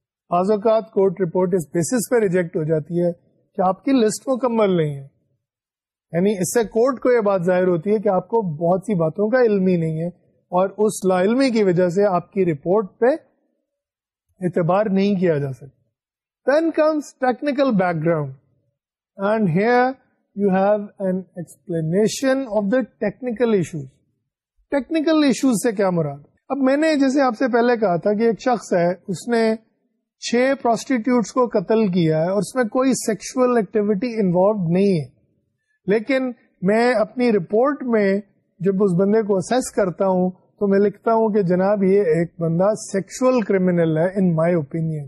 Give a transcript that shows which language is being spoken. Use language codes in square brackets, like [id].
[ur] بعض اوقات court report اس basis پہ ریجیکٹ ہو جاتی ہے کہ آپ کی لسٹ مکمل نہیں ہے, یعنی اس سے کورٹ کو یہ بات ظاہر ہوتی ہے کہ آپ کو بہت سی باتوں کا علم ہی نہیں ہے, اور اس لا علمی کی وجہ سے آپ کی رپورٹ پہ اعتبار نہیں کیا جا سکتا. [en] Then comes technical background, and here you have an explanation of the technical issues. [ur] Technical issues سے کیا مراد؟ اب میں نے جیسے آپ سے پہلے کہا تھا کہ ایک شخص ہے, اس نے چھ پروسٹیٹیوٹس کو قتل کیا ہے اور اس میں کوئی سیکشول ایکٹیویٹی انوالوڈ نہیں ہے, لیکن میں اپنی رپورٹ میں جب اس بندے کو اسیس کرتا ہوں تو میں لکھتا ہوں کہ جناب یہ ایک بندہ سیکشول کرمینل ہے [en] In my opinion.